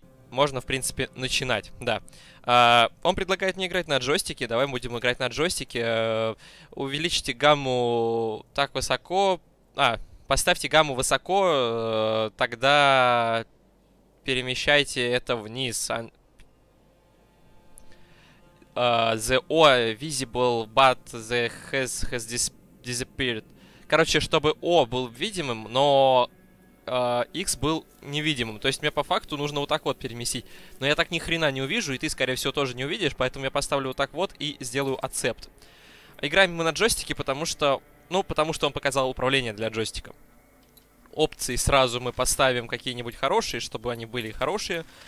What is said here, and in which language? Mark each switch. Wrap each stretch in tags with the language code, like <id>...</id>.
<ru>Можно, в принципе, начинать, да. Он предлагает мне играть на джойстике, давай будем играть на джойстике. Увеличьте гамму так высоко... Поставьте гамму высоко, тогда перемещайте это вниз.</ru> <en>The O visible, but the has disappeared.</en> <ru>Короче, чтобы O был видимым, но X был невидимым. То есть мне по факту нужно вот так вот переместить. Но я так ни хрена не увижу, и ты, скорее всего, тоже не увидишь. Поэтому я поставлю вот так вот и сделаю accept. Играем мы на джойстике, потому что... Ну, потому что он показал управление для джойстика. Опции сразу мы поставим какие-нибудь хорошие, чтобы они были хорошие.</ru>